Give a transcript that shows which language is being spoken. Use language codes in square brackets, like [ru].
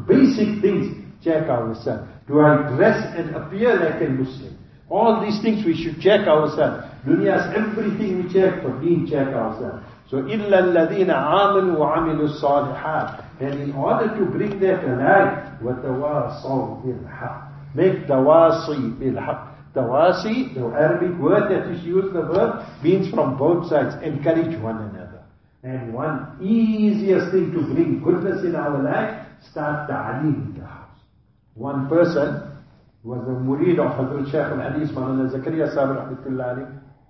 [en] Basic things, check ourselves. Do I dress and appear like a Muslim? All these things we should check ourselves. Dunya's everything we check, for deen check ourselves. [ar] So, إِلَّا الَّذِينَ آمَنُوا وَعَمِلُوا الصَّالِحَاتِ. [en] And in order to bring that alive, [ar] وَتَوَاصَوْا بِالْحَقِّ. [en] Make [ar] تَوَاصِي بِالْحَقِّ. تَوَاصِي, [en] the Arabic word that is used, the verb, means from both sides, encourage one another. And one easiest thing to bring goodness in our life, start [ar] تَعْلِيمِ الْحَقِّ. [en] One person was a murid of Hazrat Shaykh al-Hadith Mawlana Zakariya Sahib rahmatullahi alayhi.